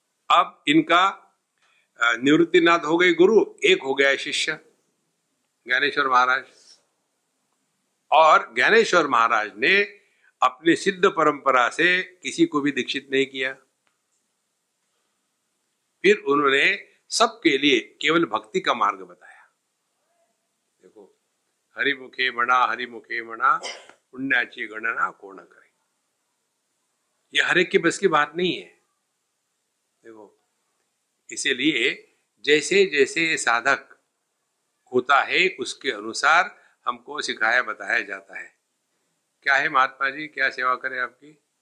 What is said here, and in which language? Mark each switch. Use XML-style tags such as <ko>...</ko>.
<hi>अब इनका निवृत्तिनाथ हो गए गुरु, एक हो गया शिष्य ज्ञानेश्वर महाराज, और ज्ञानेश्वर महाराज ने अपने सिद्ध परंपरा से किसी को भी दीक्षित नहीं किया। फिर उन्होंने सबके लिए केवल भक्ति का मार्ग बताया।</hi> <mr>देखो हरिमुखे मणा, हरिमुखे मणा, पुण्याची गणना कोण करे।</mr> <hi>यह हर एक की बस की बात नहीं है। देखो इसीलिए जैसे जैसे साधक होता है उसके अनुसार हमको सिखाया बताया जाता है। क्या है महात्मा जी, क्या सेवा करें आपकी?</hi>